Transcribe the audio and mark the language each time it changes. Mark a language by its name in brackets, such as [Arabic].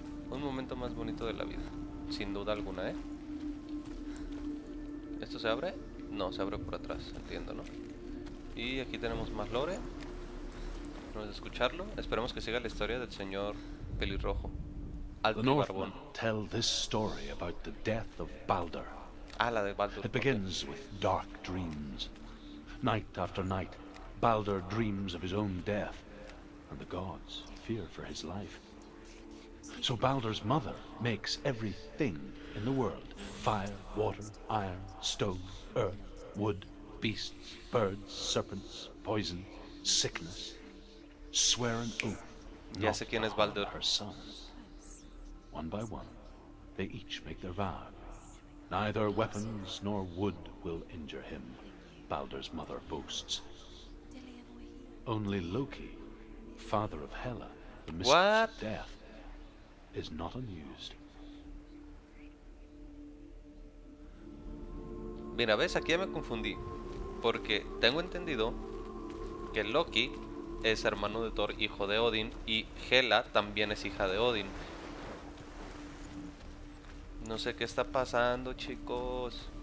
[Spanish] Un momento más bonito de la vida. Sin duda alguna, ¿eh? ¿Esto se abre? No, se abre por atrás, entiendo, ¿no? Y aquí tenemos más lore. No es de escucharlo. Esperemos que siga la historia del señor pelirrojo. Alto y barbón. [English] Tell this story about the death of Baldur. [Spanish] Ah, la de Baldur. [English] It begins with dark dreams. Night after night, Baldur dreams of his own death, and the gods fear for his life. So Baldur's mother makes everything in the world: fire, water, iron, stone, earth, wood, beasts, birds, serpents, poison, sickness. Swear an oath. [Spanish] Ya sé quién es Baldur. [English] Her sons. One by one, they each make their vow. Neither weapons nor wood will injure him, Baldur's mother boasts. Only Loki, father of Hela, the mistress of death, is not amused. [Spanish] Mira, ves, aquí ya me confundí. Porque tengo entendido que Loki es hermano de Thor, hijo de Odin, y Hela también es hija de Odin. No sé qué está pasando, chicos.